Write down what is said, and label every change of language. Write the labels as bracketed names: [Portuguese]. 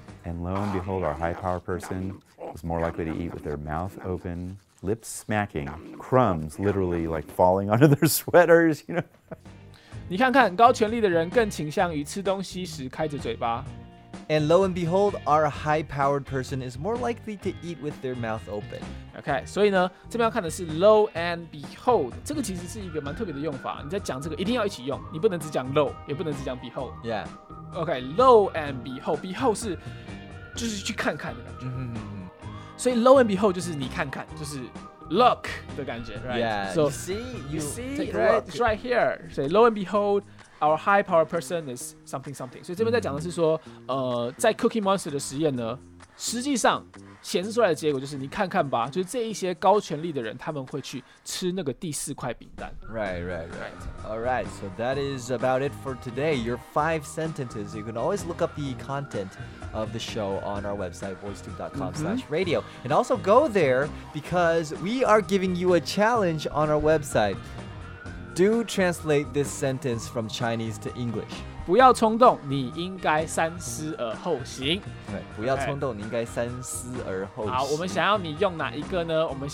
[English] And lo and behold, our high power person was more likely to eat with their mouth open, lips smacking, crumbs literally like falling onto their sweaters, you know. [Chinese] 你看看, 高权力的人更倾向于吃东西时开着嘴巴。 [English] And lo and behold, our high powered person is more likely to eat with their mouth open. [Chinese] Okay, 所以呢, 这边要看的是 lo and behold. 这个其实是一个蛮特别的用法, 你在讲这个一定要一起用, 你不能只讲 lo, 也不能只讲 behold. [English] Yeah. [Chinese] Okay, lo and behold, behold是 就是去看看的感觉 所以 lo and behold 就是你看看 就是 look 的感觉 [English] right? so, you see take a look, right? It's right here. So lo and behold, our high power person is something something. [Chinese] 所以这边在讲的是说 在 Cookie Monster的实验呢 实际上 显示出来的结果就是你看看吧 就是这一些高权力的人 他们会去吃那个第四块饼干 [English] Right. Alright, so that is about it for today. Your 5 sentences. You can always look up the content of the show on our website voicetube.com/radio. And also go there because we are giving you a challenge on our website. Do translate this sentence from Chinese to English. [Chinese] 不要冲动, 你应该三思而后行。对, 不要冲动, 你应该三思而后行。好, 我们想要你用哪一个呢?